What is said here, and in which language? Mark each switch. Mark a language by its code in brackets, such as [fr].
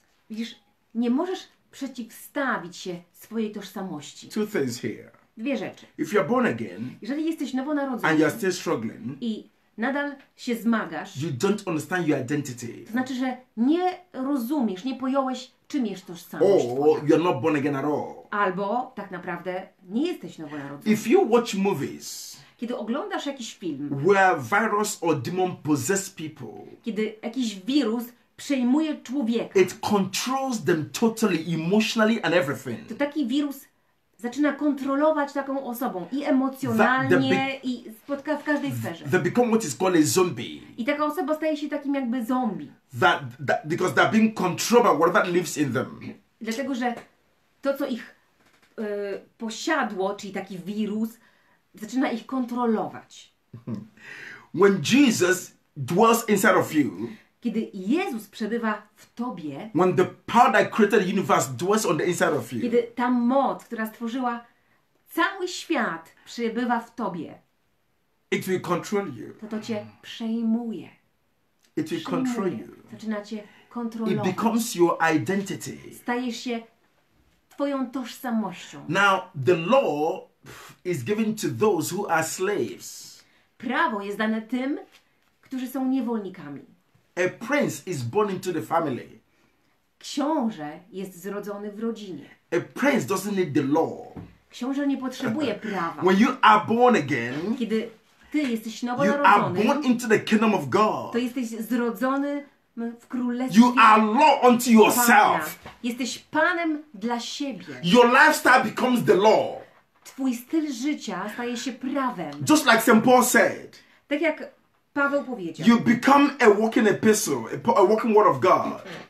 [pl] Widzisz, nie możesz przeciwstawić się swojej tożsamości. [en] Two things here. [pl] Dwie rzeczy. [en] If you're born again, [pl] jeżeli jesteś nowonarodzony, [en] and you're still struggling, [pl] i nadal się zmagasz, [en] you don't understand your identity. [pl] To znaczy, że nie rozumiesz, nie pojąłeś, czym jest tożsamość. [en] Oh, you're not born again at all. [pl] Albo tak naprawdę nie jesteś nowonarodzony. [en] If you watch movies, [pl] kiedy oglądasz jakiś film, [en] where virus or demon possess people, [pl] kiedy jakiś wirus przejmuje człowieka, [en] it controls them totally, emotionally and everything. [pl] To taki wirus zaczyna kontrolować taką osobą i emocjonalnie, i spotka w każdej sferze. [en] They become what is called a zombie. [pl] I taka osoba staje się takim jakby zombie. [en] Because they're being controlled by whatever lives in them. [pl] Dlatego, że to, co ich posiadło, czyli taki wirus, zaczyna ich kontrolować. [en] When Jesus dwells inside of you, [pl] kiedy Jezus przebywa w tobie, [en] when the power that created the universe dwells on the inside of you, [pl] kiedy ta moc, która stworzyła cały świat, przebywa w tobie, [en] it will control you. [pl] To cię przejmuje. [en] It will control you. [pl] Zaczyna cię kontrolować. [en] It becomes your identity. [pl] Stajesz się twoją tożsamością. [en] Now the law is given to those who are slaves. [pl] Prawo jest dane tym, którzy są niewolnikami. [en] A prince is born into the family. [pl] Książę jest zrodzony w rodzinie. [en] A prince doesn't need the law. [pl] Książę nie potrzebuje prawa. [en] When you are born again, [pl] kiedy ty jesteś nowonarodzony, [en] you are born into the kingdom of God. [pl] To jesteś zrodzony w królestwie. [en] You are law unto yourself. [pl] Jesteś panem dla siebie. [en] Your lifestyle becomes the law. [pl] Twój styl życia staje się prawem. [en] Just like St. Paul said. [pl] Tak jak Paweł powiedział. [en] You become a walking epistle, a walking word of God.